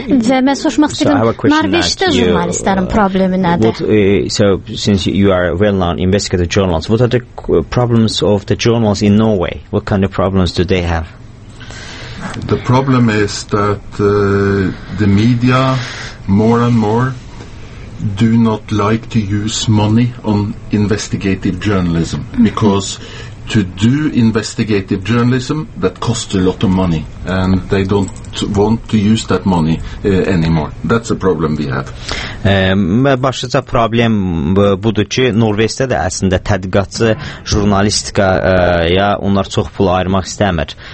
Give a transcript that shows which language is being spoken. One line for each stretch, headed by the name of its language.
Azerbaijani: Və mən soruşmaq istəyirəm, Norveçdə jurnalistlərin problemi nədir?
English: So, since you are a well-known investigative journalist, what are the problems of the journalists in Norway? What kind of problems do they have? The problem is that the media more and more do not like to use money on investigative journalism because to do investigative journalism that costs a lot of money and they don't want to use that money anymore. That's a problem we have.
Azerbaijani: Başlıca problem budur ki, Norveçdə də əslində tədqiqatçı jurnalistika ya onlar çox pul ayırmaq istəmir.